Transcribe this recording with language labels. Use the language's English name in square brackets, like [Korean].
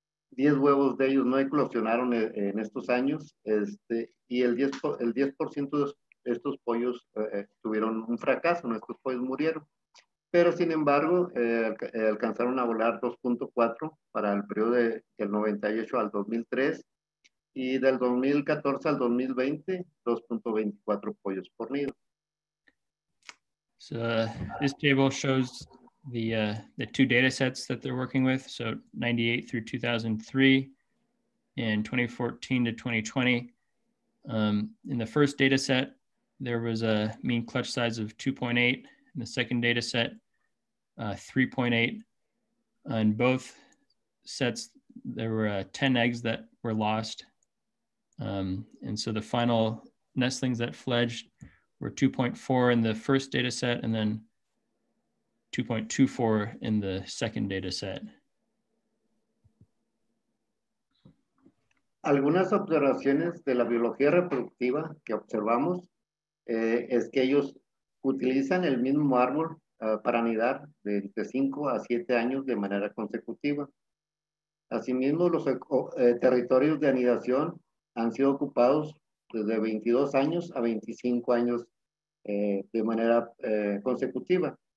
[Spanish] 10 huevos de ellos no eclosionaron en estos años, y el 10% de estos pollos tuvieron un fracaso, nuestros pollos murieron. Pero sin embargo, alcanzaron a volar 2.4 para el periodo de, del 98 al 2003 y del 2014 al 2020, 2.24 pollos por nido. [English] So this table shows the two data sets that they're working with. So 98 through 2003 and 2014 to 2020. In the first data set, there was a mean clutch size of 2.8. In the second data set, 3.8. On both sets, there were 10 eggs that were lost. And so the final nestlings that fledged were 2.4 in the first data set and then 2.24 in the second data set. [Spanish] Algunas observaciones de la biología reproductiva que observamos es que ellos utilizan el mismo árbol para anidar de 5 a 7 años de manera consecutiva. Asimismo, los territorios de anidación han sido ocupados desde 22 años a 25 años de manera consecutiva.